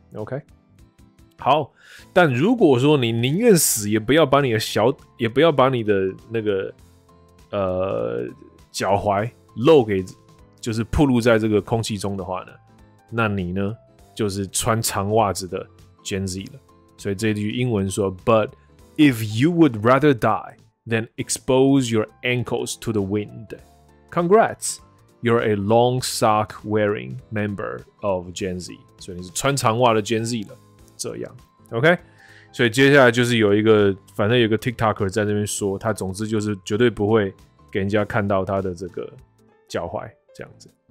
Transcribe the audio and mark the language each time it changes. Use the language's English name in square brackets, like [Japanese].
[Chinese] OK， 好。但如果说你宁愿死也不要把你的小，也不要把你的那个脚踝露给，就是暴露在这个空气中的话呢，那你呢就是穿长袜子的 Gen Z 了。所以这句英文说 [English] But if you would rather dieThen expose your ankles to the wind. Congrats, you're a long sock wearing member of Gen Z. [Chinese] 所以你是穿长袜的 Gen Z 了，这样 OK。所以接下来就是有一个，反正有一个 TikToker 在那边说，他总之就是绝对不会给人家看到他的这个脚踝这样子。